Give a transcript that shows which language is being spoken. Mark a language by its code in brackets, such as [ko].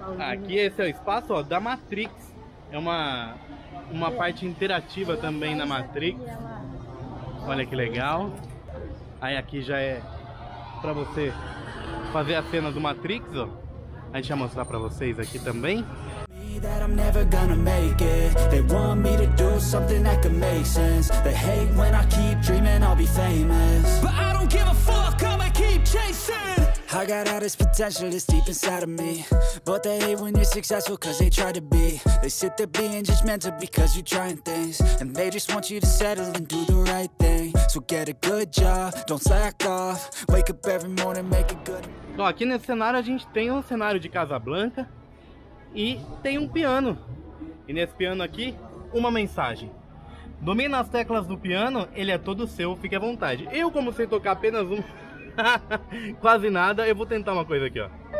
[pt] Aqui esse é o espaço, ó, da Matrix. É uma parte interativa também da Matrix. Olha que legal. Aí aqui já é pra você fazer a cena do Matrix, ó. A gente vai mostrar pra vocês aqui também. [en] That I'm never gonna make it. They want me to do something that could make sense. They hate when I keep dreaming I'll be famous. But I don't give a fuck, I'ma keep chasing. I got all this potential that's deep inside of me. But they hate when you're successful cause they try to be. They sit there being judgmental because you're trying things. And they just want you to settle and do the right thing. So get a good job, don't slack off. Wake up every morning, make it good. [pt] Então aqui nesse cenário a gente tem um cenário de Casablanca. E tem um piano. E nesse piano aqui, uma mensagem. Domina as teclas do piano, ele é todo seu, fique à vontade. Eu, como sei tocar apenas um, quase nada, eu vou tentar uma coisa aqui, ó.